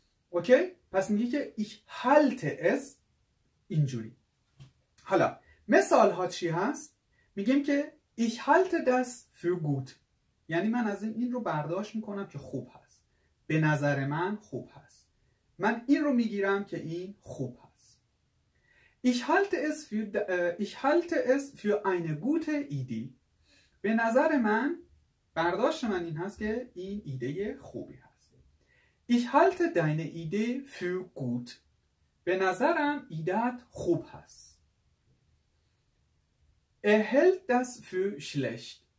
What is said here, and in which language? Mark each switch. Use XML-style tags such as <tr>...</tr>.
<fa>اوکی؟ پس میگه که</fa> <de>ich halte es</de> <fa>اینجوری. حالا مثال ها چی هست؟ میگیم که</fa> <de>ich halte das für gut،</de> <fa>یعنی من از این رو برداشت میکنم که خوب هست، به نظر من خوب هست، من این رو میگیرم که این خوب هست.</fa> <de>Ich halte es für eine gute Idee.</de> <fa>به نظر من، برداشت من این هست که این ایده خوبی هست.</fa> <de>Ich halte deine Idee für gut.</de> <fa>به نظرم ایدت خوب هست.</fa> <de>Er hält das für schlecht.</de>